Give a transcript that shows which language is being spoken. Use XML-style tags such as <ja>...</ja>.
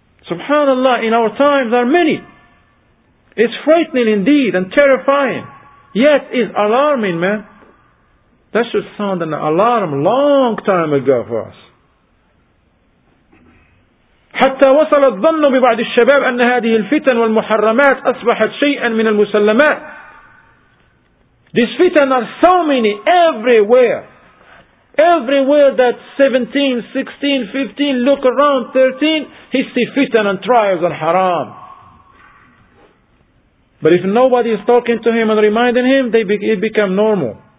<en>SubhanAllah, in our times are many. It's frightening indeed and terrifying. Yet is alarming, man. That should sound an alarm long time ago for us.</en> <ar>حتى وصل الظن ببعض الشباب أن هذه الفتن والمحرمات أصبحت شيئا من المسلمات.</ar> <en>These fitan are so many everywhere. Everywhere that 17, 16, 15 look around 13, he see fitan and trials and haram. But if nobody is talking to him and reminding him, it becomes normal.</en>